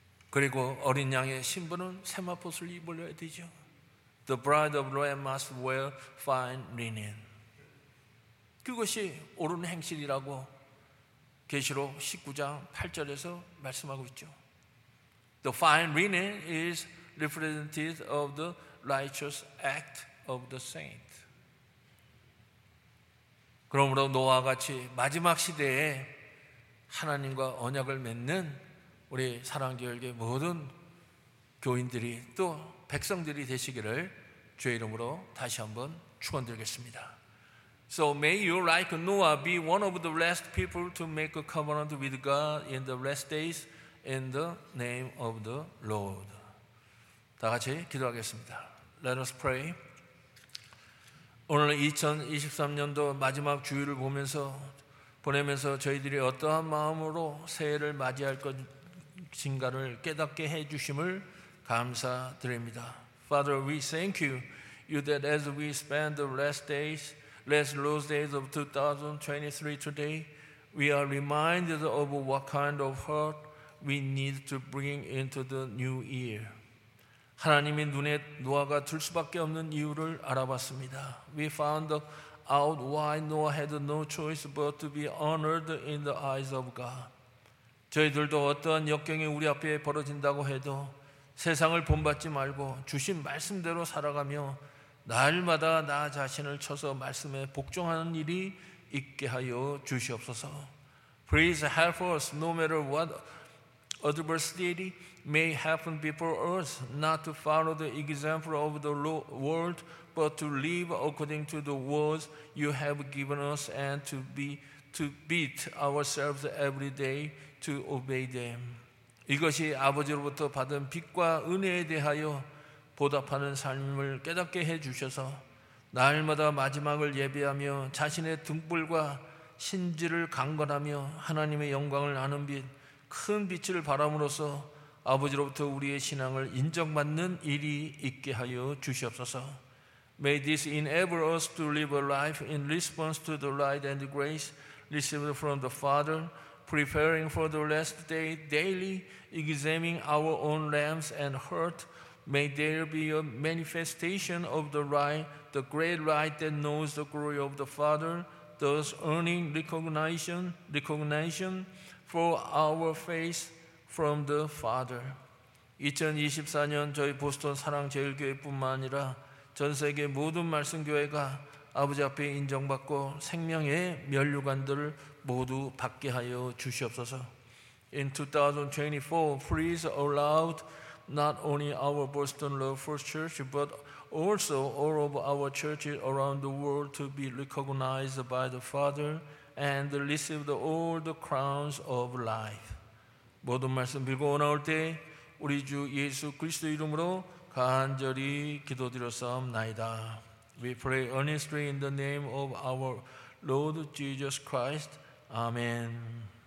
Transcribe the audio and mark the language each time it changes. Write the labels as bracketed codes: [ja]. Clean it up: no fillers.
[ko] 그리고 어린 양의 신부는 세마포옷을 입어야 되죠. [en] The bride of the lamb must wear fine linen. [ko] 그것이 옳은 행실이라고 계시록 19장 8절에서 말씀하고 있죠. [en] The fine linen is representative of the righteous act of the saint. [ko] 그러므로 노아 같이 마지막 시대에 하나님과 언약을 맺는 우리 사랑교회의 모든 교인들이 또 백성들이 되시기를 주의 이름으로 다시 한번 축원드리겠습니다. [en] So may you like Noah be one of the last people to make a covenant with God in the last days. In the name of the Lord. [ko] 다 같이 기도하겠습니다. [en] Let us pray. [ko] 오늘 2023년도 마지막 주일을 보내면서 저희들이 어떠한 마음으로 새해를 맞이할 것인가를 깨닫게 해 주심을 감사드립니다. [en] Father, we thank you that as we spend the last days of 2023 today, we are reminded of what kind of heart we need to bring into the new year. [ko] 하나님의 눈에 노아가 들 수밖에 없는 이유를 알아봤습니다. [en] We found out why Noah had no choice but to be honored in the eyes of God. [ko] 저희들도 어떠한 역경이 우리 앞에 벌어진다고 해도 세상을 본받지 말고 주신 말씀대로 살아가며 날마다 나 자신을 쳐서 말씀에 복종하는 일이 있게 하여 주시옵소서. [en] Please help us no matter what adversity may happen before us, not to follow the example of the world, but to live according to the words you have given us and to beat ourselves every day to obey them. [ko] 이것이 아버지로부터 받은 빛과 은혜에 대하여 보답하는 삶을 깨닫게 해 주셔서 날마다 마지막을 예비하며 자신의 등불과 신지를 강건하며 하나님의 영광을 아는 빛 큰 빛을 바람으로써 아버지로부터 우리의 신앙을 인정받는 일이 있게 하여 주시옵소서. [en] May this enable us to live a life in response to the light and grace received from the Father, preparing for the last day daily, examining our own lamps and heart. May there be a manifestation of the light, the great light that knows the glory of the Father, thus earning recognition for our faith from the Father. [ko] 2024년 저희 보스턴 사랑제일교회뿐만 아니라 전 세계 모든 말씀교회가 아버지 앞에 인정받고 생명의 면류관들을 모두 받게 하여 주시옵소서. [en] In 2024, please allow not only our Boston Love First Church, but also all of our churches around the world to be recognized by the Father and receive all the crowns of life. [ko] 모든 말씀 빌고 나올 때 우리 주 예수 그리스도 이름으로 간절히 기도드렸사옵나이다. [en] We pray earnestly in the name of our Lord Jesus Christ. Amen.